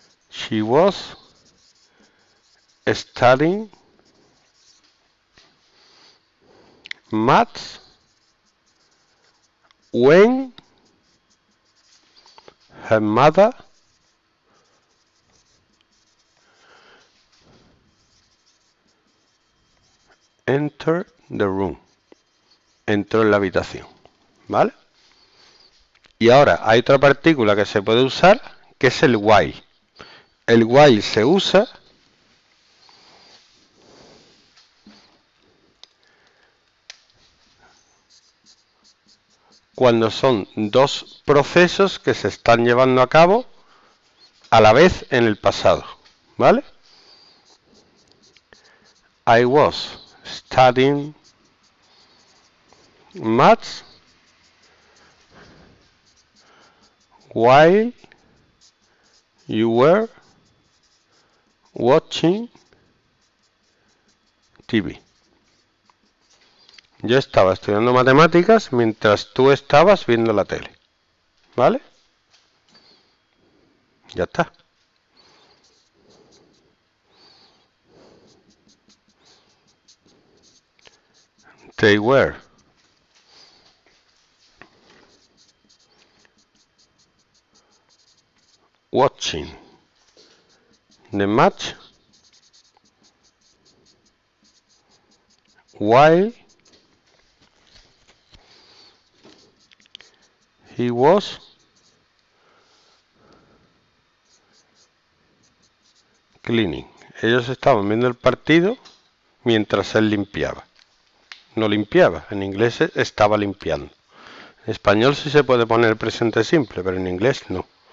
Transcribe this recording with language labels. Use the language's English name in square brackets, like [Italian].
[English] She was studying maths when her mother entered the room. [Spanish] Entró en la habitación. ¿Vale? Y ahora hay otra partícula que se puede usar, que es el while. El while se usa cuando son dos procesos que se están llevando a cabo a la vez en el pasado, ¿vale? [English] I was studying maths while you were watching TV. [Spanish] Yo estaba estudiando matemáticas mientras tú estabas viendo la tele. ¿Vale? Ya está. [English] They were watching the match while he was cleaning. [Spanish] Ellos estaban viendo el partido mientras él limpiaba. No limpiaba, en inglés estaba limpiando. En español sí se puede poner presente simple, pero en inglés no.